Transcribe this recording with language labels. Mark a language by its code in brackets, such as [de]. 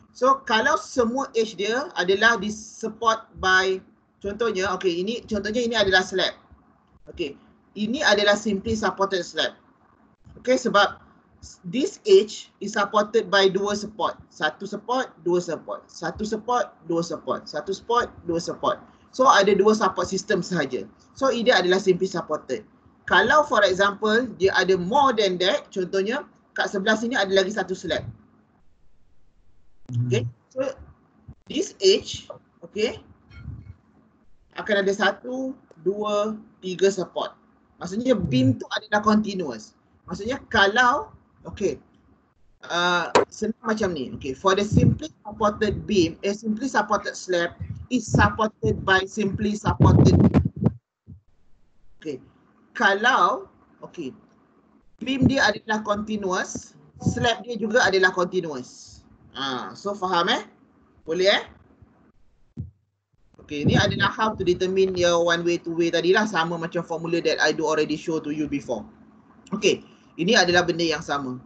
[ms] So kalau semua edge dia adalah disupport by, contohnya, okay, ini contohnya ini adalah slab. Okay. Ini adalah simply supported slab. Okay, sebab [en] this edge is supported by [ms] dua support. Satu support, dua support. Satu support, dua support. Satu support, dua support. So, ada dua support system sahaja. So, ini adalah simply supported. Kalau [en] for example, [ms] dia ada [en] more than that, [ms] contohnya, kat sebelah sini ada lagi satu slab. Okay, so this edge, okay, akan ada satu, dua, tiga support. Maksudnya beam tu adalah continuous. Maksudnya kalau, okay, senang macam ni. [en] Okay, for the simply supported beam, a simply supported slab is supported by simply supported. [ms] Okay, kalau, okay, beam dia adalah continuous, slab dia juga adalah continuous. So faham eh? Boleh eh? [en] Okay, [ms] ni adalah [en] how to determine your one way, two way tadilah. [ms] Sama macam [en] formula that I do already show to you before. [ms] Okay, ini adalah benda yang sama.